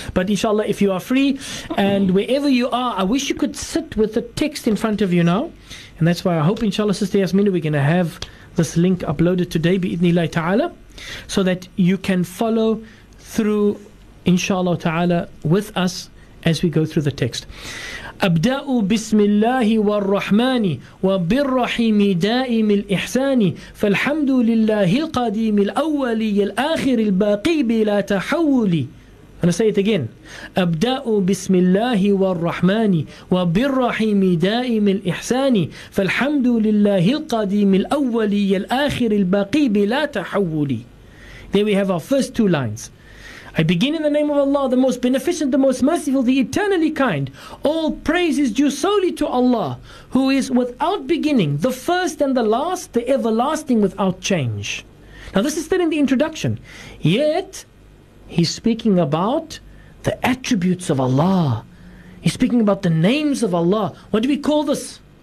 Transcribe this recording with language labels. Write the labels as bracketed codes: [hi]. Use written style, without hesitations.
[en] But inshallah, if you are free, and wherever you are, I wish you could sit with the text in front of you now. And that's why I hope, inshallah, Sister Yasmina, we're going to have this link uploaded today, bi-idhnillahi ta'ala, so that you can follow through, inshallah ta'ala, with us as we go through the text. [ar] أبدأ بسم الله والرحمن وبالرحيم دائم الإحسان فالحمد لله القديم الأول الآخر الباقي بلا تحول. [en] I'm going to say it again. [ar] أبدأ بسم الله والرحمن وبالرحيم دائم الإحسان فالحمد لله القديم الأول الآخر الباقي بلا تحول. [en] There we have our first two lines. I begin in the name of Allah, the most beneficent, the most merciful, the eternally kind. All praise is due solely to Allah, who is without beginning, the first and the last, the everlasting without change. Now this is still in the introduction. Yet, he's speaking about the attributes of Allah. He's speaking about the names of Allah. What do we call this?